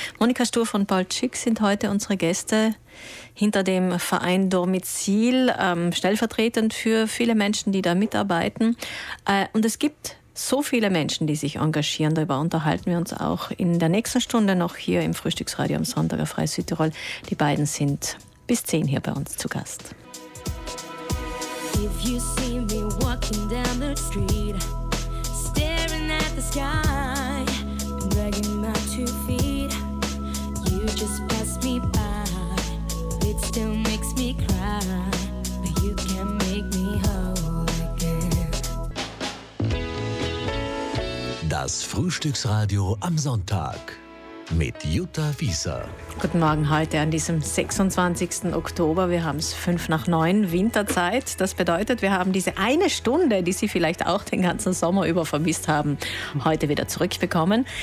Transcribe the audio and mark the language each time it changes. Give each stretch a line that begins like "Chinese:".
German: Monika Stur von Paul Tschick sind heute unsere Gäste hinter dem Verein Domizil, stellvertretend für viele Menschen, die da mitarbeiten. Und es gibt so viele Menschen, die sich engagieren. Darüber unterhalten wir uns auch in der nächsten Stunde noch hier im Frühstücksradio am Sonntag auf Freies Südtirol. Die beiden sind bis 10 hier bei uns zu Gast.
English: If you see me walking down the street, staring at the sky, dragging my 2 feet, you just passed me by. It still makes me cry, but you can make me whole again.
German: Das Frühstücksradio am Sonntag mit Jutta Wieser. Guten Morgen heute an diesem 26. Oktober. Wir haben es 8:05, Winterzeit. Das bedeutet, wir haben diese eine Stunde, die Sie vielleicht auch den ganzen Sommer über vermisst haben, heute wieder zurückbekommen.